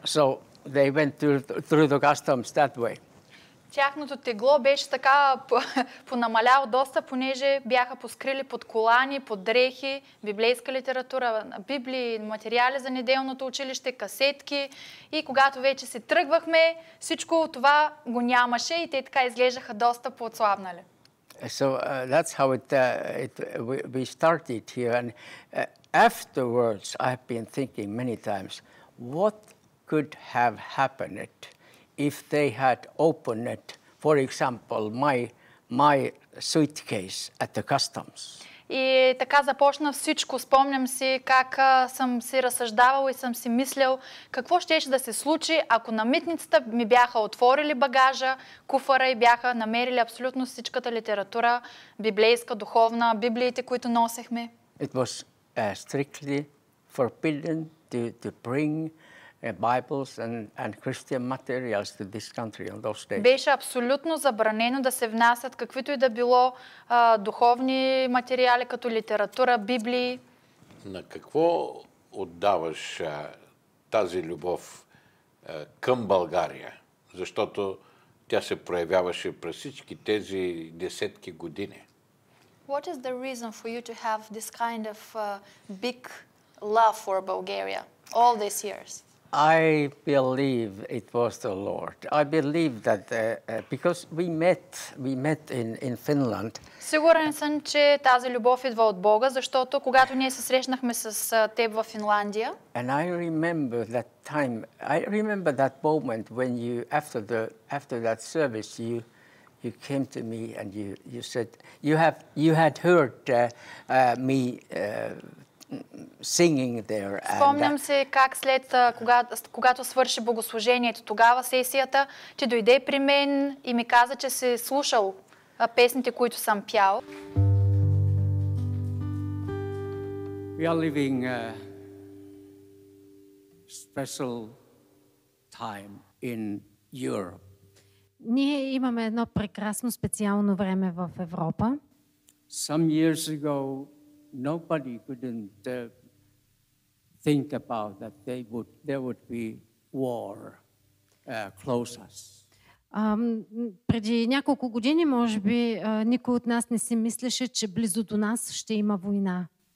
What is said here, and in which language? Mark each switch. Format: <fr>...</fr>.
<en>So they went through the customs that way.</en> <bg>Тяхното тегло беше така понамаляло доста, понеже бяха поскрили под колани, под дрехи, библейска литература, библии, материали за неделното училище, касетки. И когато вече се тръгвахме, всичко това го нямаше и те така изглеждаха доста по-отслабнали.</bg> <en>So that's how we started here. And afterwards I've been thinking many times, what could have happened if they had opened it, for example, my suitcase at the customs.</en> <bg>И така започна всичко. Спомням си как съм си разсъждавал и съм си мислял какво щеше да се случи, ако на митницата ми бяха отворили багажа, куфара и бяха намерили абсолютно всичката литература, библейска, духовна, библиите, които носехме.</bg> <en>It was strictly forbidden to bring Bibles and Christian materials to this country on those days.</en> <bg>Беше абсолютно забранено да се внасят каквито и да било духовни материали, като литература, библии. На какво отдаваш тази любов към България? Защото тя се проявяваше през всички тези десетки години.</bg> <en>What is the reason for you to have this kind of big love for Bulgaria all these years? I believe it was the Lord. I believe that because we met in Finland.</en> <bg>Сигурен съм, че тази любов идва от Бога, защото когато ние се срещнахме с теб в Финландия.</bg> <en>And I remember that time. I remember that moment when you after that service you came to me and you said you had heard me singing there.</en> <bg>Спомням се как след когато свърши богослужението, тогава сесията, ти дойде при мен и ми каза, че си слушал песните, които съм пял.</bg> <en>We are living a special time in Europe.</en> <bg>Ние имаме едно прекрасно специално време в Европа.</bg> <en>Some years ago nobody couldn't think about that there would be war close us.</en> <bg>Преди няколко години може би никой от нас не си мислеше, че близо до нас ще има война.</bg>